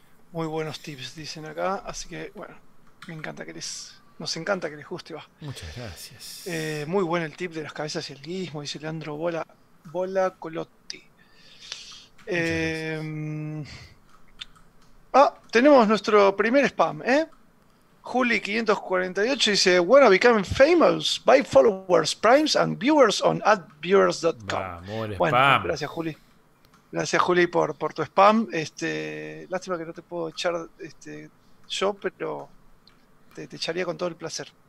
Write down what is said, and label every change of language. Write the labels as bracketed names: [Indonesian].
[Spanish] Muy buenos tips, dicen acá. Así que, bueno, me encanta que nos encanta que les guste, va. Muchas gracias. Muy bueno el tip de las cabezas y el guismo, dice Leandro Bola, Bola Colotti. Muchas gracias. Ah, Tenemos nuestro primer spam, ¿eh? [English] Juli 548 [Spanish] dice: [English] "Wanna become famous by followers, primes and viewers on adviewers.com". [Spanish] Bueno, spam. Gracias, Juli. Gracias, Juli, por tu spam. Lástima que no te puedo echar yo, pero te echaría con todo el placer.